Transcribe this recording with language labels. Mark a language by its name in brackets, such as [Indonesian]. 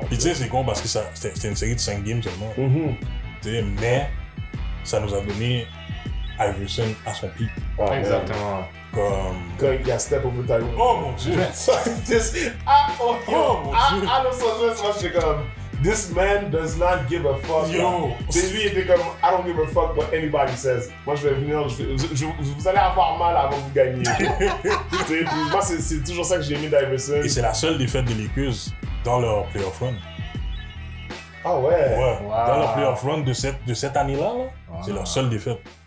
[French] Puis tu sais, c'est con parce que c'était une série de 5 games seulement. Mm-hmm. Tu sais, mais ça nous a donné Iverson à son pic. Ah, exactement. Man. Comme. Quand il y a Step Over Tyrone. Oh mon dieu! À Los Angeles, moi, j'étais comme. [English] This man does not give a fuck. Yo! [French] C'est lui, il était comme, [English] I don't give a fuck what anybody says. [French] Moi, je vais venir, vous allez avoir mal avant de vous gagner. Moi, c'est toujours ça que j'ai aimé d'Iverson. Et c'est la seule défaite de Lakers dans leur playoff run. Ah ouais? Ouais. Wow. Dans leur playoff run de cette année-là, là, wow. C'est leur seule défaite.